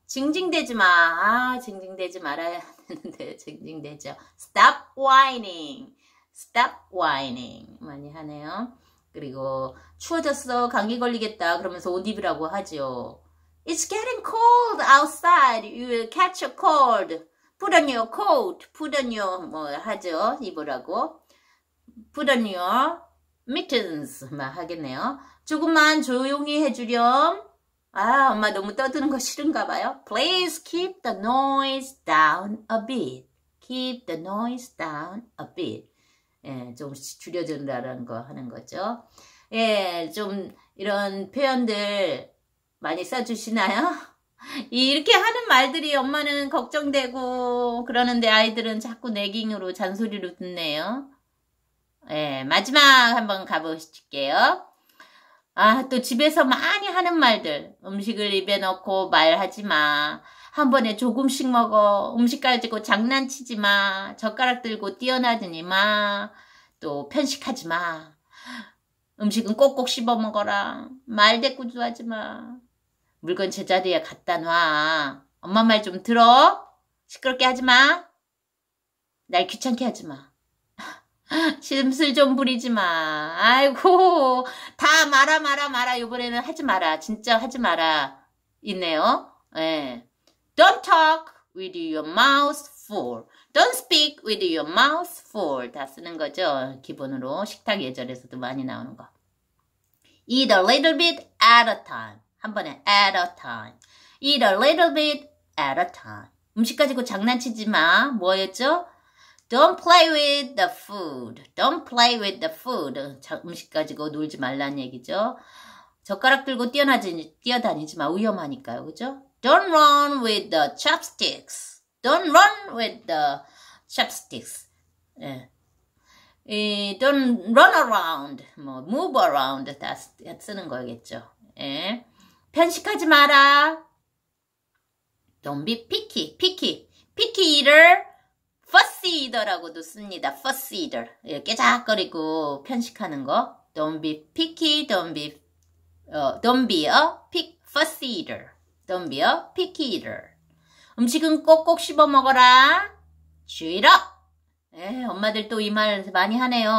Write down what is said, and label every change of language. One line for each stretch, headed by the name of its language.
Korean: 징징대지 마. 아, 징징대지 말아야 하는데, 징징대죠.
English: Stop whining. Stop whining.
Korean: 많이 하네요. 그리고, 추워졌어. 감기 걸리겠다. 그러면서 옷 입으라고 하죠.
English: It's getting cold outside. You will catch a cold. Put on your coat. Put on your,
Korean: 뭐, 하죠. 입으라고.
English: Put on your Mittens,
Korean: 막 하겠네요. 조금만 조용히 해주렴. 아, 엄마 너무 떠드는 거 싫은가 봐요.
English: Please keep the noise down a bit. Keep the noise down a bit.
Korean: 예, 조금씩 줄여준다라는 거 하는 거죠. 예, 좀 이런 표현들 많이 써주시나요? 이렇게 하는 말들이 엄마는 걱정되고 그러는데 아이들은 자꾸 내깅으로 잔소리로 듣네요. 예, 마지막 한번 가보실게요. 아, 또 집에서 많이 하는 말들. 음식을 입에 넣고 말하지 마. 한 번에 조금씩 먹어. 음식 가지고 장난치지 마. 젓가락 들고 뛰어나드니 마. 또 편식하지 마. 음식은 꼭꼭 씹어 먹어라. 말대꾸도 하지 마. 물건 제자리에 갖다 놔. 엄마 말좀 들어. 시끄럽게 하지 마. 날 귀찮게 하지 마. 심술 좀 부리지 마. 아이고, 다 말아, 말아, 말아. 이번에는 하지 마라. 진짜 하지 마라. 있네요. 예.
English: Don't talk with your mouth full. Don't speak with your mouth full.
Korean: 다 쓰는 거죠. 기본으로. 식탁 예절에서도 많이 나오는 거.
English: Eat a little bit at a time.
Korean: 한 번에
English: at a time. Eat a little bit at a time.
Korean: 음식 가지고 장난치지 마. 뭐였죠?
English: Don't play with the food. Don't play with the food.
Korean: 음식 가지고 놀지 말란 얘기죠. 젓가락 들고 뛰어다니지 마. 위험하니까요. 그죠?
English: Don't run with the chopsticks. Don't run with the chopsticks. 예. Don't run around.
Korean: 뭐,
English: move around.
Korean: 다 쓰는 거겠죠. 예. 편식하지 마라.
English: Don't be picky. Picky. Picky eater.
Korean: Fussy eater라고도 씁니다.
English: Fussy eater.
Korean: 깨작거리고 편식하는 거.
English: Don't be picky, don't be a fussy eater. Don't be a picky eater.
Korean: 음식은 꼭꼭 씹어 먹어라.
English: Chew it up.
Korean: 에, 엄마들 또이말 많이 하네요.